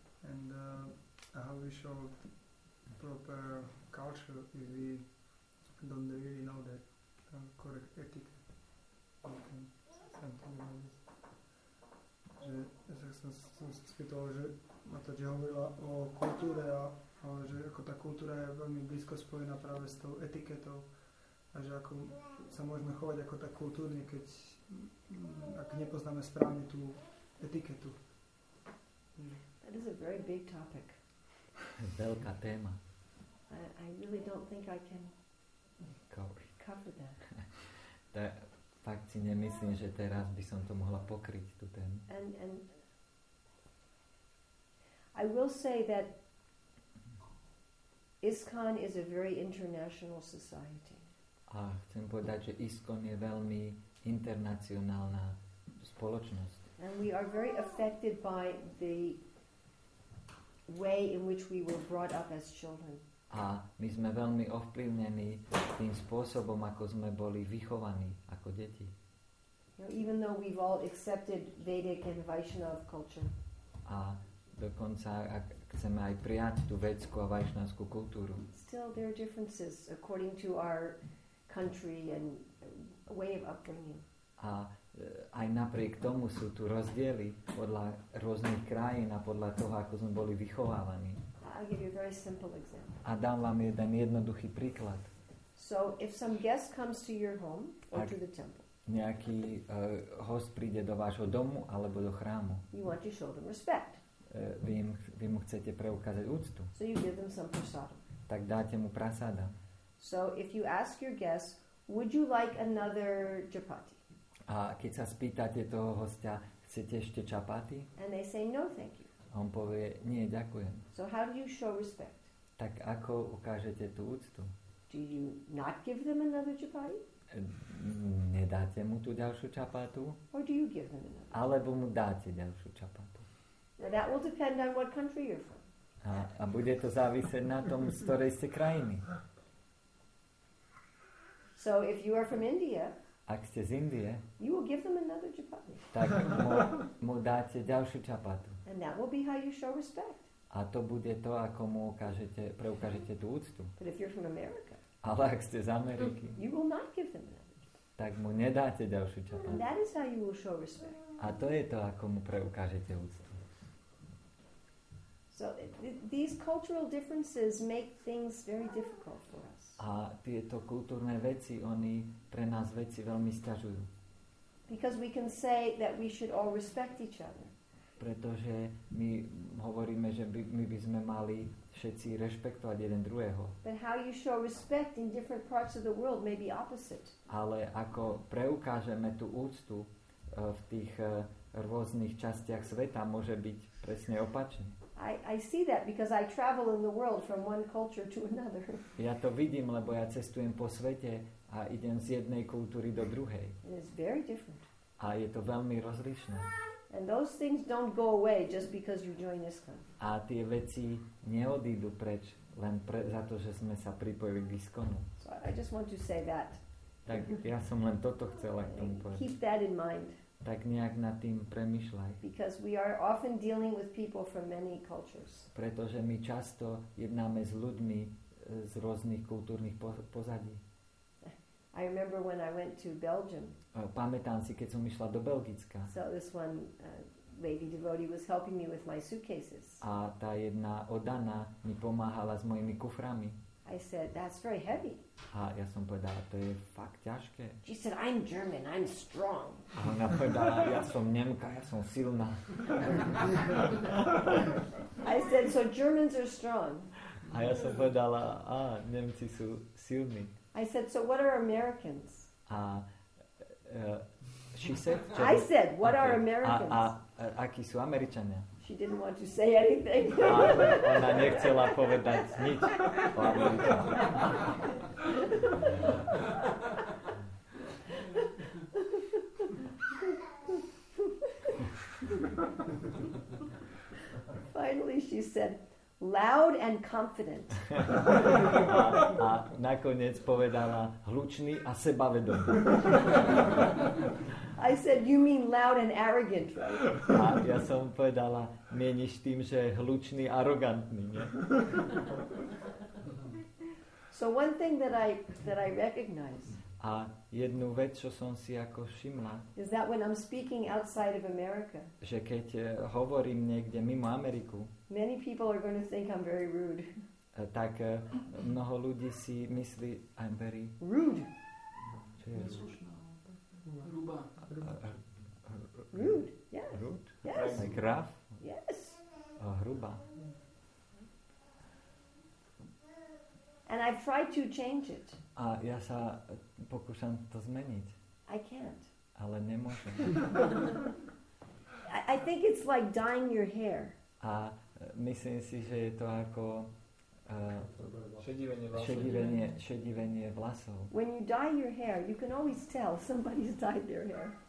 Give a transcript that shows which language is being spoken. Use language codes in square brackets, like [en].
[en] And how we show proper culture if we don't really know that correct etiquette. Something about this. [sk] Že som sa spýtal, že ma to hovorila o kultúre a že ako tá kultúra je veľmi blízko spojená práve s tou etiketou a že ako sa môžeme chovať ako tak kultúrne, keď ak nepoznáme správne tú etiketu. [en] That is a very big topic. [sk] Veľká téma. [en] I really don't think I can cover that. [sk] That fakt si nemyslím, že teraz by som to mohla pokryť, tú tému. [en] And I will say that ISKCON is a very international society. [sk] A chcem povedať, že ISKCON je veľmi internacionálna spoločnosť. [en] And we are very affected by the way in which we were brought up as children. [sk] A my sme veľmi ovplyvnení tým spôsobom, ako sme boli vychovaní ako deti. [en] You know, even though we've all accepted Vedic and Vaishnava culture. [sk] A dokonca, ak, chceme aj prijať tú vedskú a vajšnánsku kultúru. [en] Still there are differences according to our country and way of upbringing. [sk] A aj napriek tomu sú tu rozdiely podľa rôznych krajín a podľa toho, ako sme boli vychovávaní. [en] I'll give you a very simple example. [sk] A dám vám jeden jednoduchý príklad. [en] So if some guest comes to your home or to the temple. [sk] Nejaký host príde do vášho domu alebo do chrámu. [en] You want to show them respect. [sk] Vy mu chcete preukázať úctu. [en] So you give them some prasada. [sk] Tak dáte mu prasada. [en] So if you ask your guest, would you like another chapati? [sk] A keď sa spýtate toho hostia, chcete ešte čapati? [en] And they say no, thank you. [sk] A on povie, nie, ďakujem. [en] So how do you show respect? [sk] Tak ako ukážete tú úctu? [en] Do you not give them another chapati? [sk] Nedáte mu tú ďalšiu čapatu? [en] Or do you give them another? [sk] Alebo mu dáte ďalšiu čapatu? [en] Now that will depend on what country you're from. [sk] A bude to závisieť na tom, z ktorej ste krajiny. [en] So if you are from India, [sk] ak ste z Indie, [en] you will give them another chapati. [sk] Tak mu dáte ďalšiu čapatu. [en] And that will be how you show respect. [sk] A to bude to, ako mu preukážete tú úctu. [en] But if you're from America, [sk] ale ak ste z Ameriky, [en] you will not give them another chapati. [sk] Tak mu nedáte ďalšiu čapatu. [en] And that is how you will show respect. [sk] A to je to, ako mu preukážete úctu. [en] So these cultural differences make things very difficult for us. [sk] A tieto kultúrne veci, oni pre nás veci veľmi sťažujú. [en] Because we can say that we should all respect each other. [sk] Pretože my hovoríme, že my by sme mali všetci rešpektovať jeden druhého. [en] But how you show respect in different parts of the world may be opposite. [sk] Ale ako preukážeme tú úctu v tých rôznych častiach sveta, môže byť presne opačne. [en] I see that because I travel in the world from one culture to another. [sk] Ja to vidím, lebo ja cestujem po svete a idem z jednej kultúry do druhej. [en] It is very different. [sk] A je to veľmi rozlišné. [en] And those things don't go away just because you join ISKCON. [sk] A tie veci neodídu preč len za to, že sme sa pripojili k ISKCONu. [en] So I just want to say that. [sk] Tak ja som len toto chcel k tomu povedať. [en] Keep that in mind. [sk] Tak nejak nad tým premyšľaj. [en] Because we are often dealing with people from many cultures. [sk] Pretože my často jednáme s ľuďmi z rôznych kultúrnych pozadí. [en] I remember when I went to Belgium. [sk] Pamätám si, keď som išla do Belgicka. [en] So this one lady devotee was helping me with my suitcases. [sk] A tá jedna oddaná mi pomáhala s mojimi kuframi. [en] I said, that's very heavy. [sk] A ja som povedala, to je fakt ťažké. [en] She said, I'm German, I'm strong. [sk] A ona povedala, ja som Nemka, ja som silná. [en] I said, so Germans are strong. [sk] A ja som povedala, Nemci sú silní. [en] I said, so what are Americans? She said, what are Americans? [sk] Akí sú Američania? [en] She didn't want to say anything. [sk] Ona nechcela povedať nič o Amerikách. [en] Finally she said, loud and confident. [sk] A nakoniec povedala, hlučný a sebavedomý. [en] I said, you mean loud and arrogant, right? [sk] A ja som povedala, mieniš tým, že hlučný, arrogantný, nie? [en] So one thing that I recognize. [sk] A jednu vec, čo som si ako všimla. [en] Is that when I'm speaking outside of America. [sk] Že keď hovorím niekde mimo Ameriku. [en] Many people are going to think I'm very rude. [sk] Tak mnoho ľudí si myslí, [en] I'm very rude. [sk] Čo je rude? [en] Rude. Like rough? Yes. [sk] Hruba. [en] And I've tried to change it. [sk] A ja sa pokúšam to zmeniť. [en] I can't. [sk] Ale nemôžem. [en] I think it's like dyeing your hair. [sk] A myslím si, že je to ako šedivenie vlasov. [en] When you dye your hair, you can always tell somebody's dyed their hair.